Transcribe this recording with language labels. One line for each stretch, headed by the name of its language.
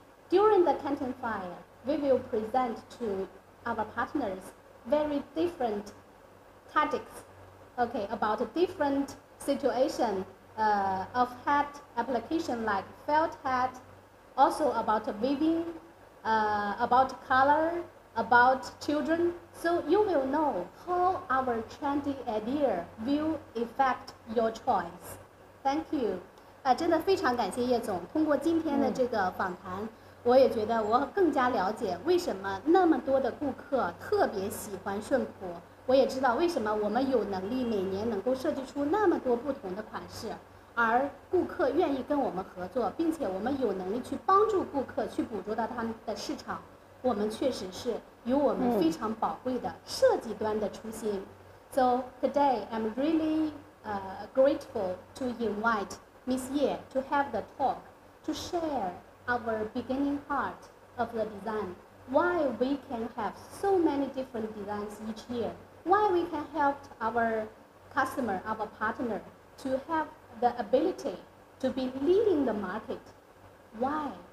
English: During the Canton Fair, we will present to our partners very different tactics, okay, about a different situation of hat application like felt hat, also about weaving, about color, about children. So you will know how our trendy idea will affect your choice. Thank you.
Chinese: 真的非常感谢叶总。通过今天的这个访谈，我也觉得我更加了解为什么那么多的顾客特别喜欢顺普。我也知道为什么我们有能力每年能够设计出那么多不同的款式，而顾客愿意跟我们合作，并且我们有能力去帮助顾客去捕捉到他们的市场，我们确实是有我们非常宝贵的设计端的初心。
English: So today I'm really grateful to invite Miss Ye to have the talk to share our beginning part of the design. Why we can have so many different designs each year? Why we can help our customer, our partner to have the ability to be leading the market. Why?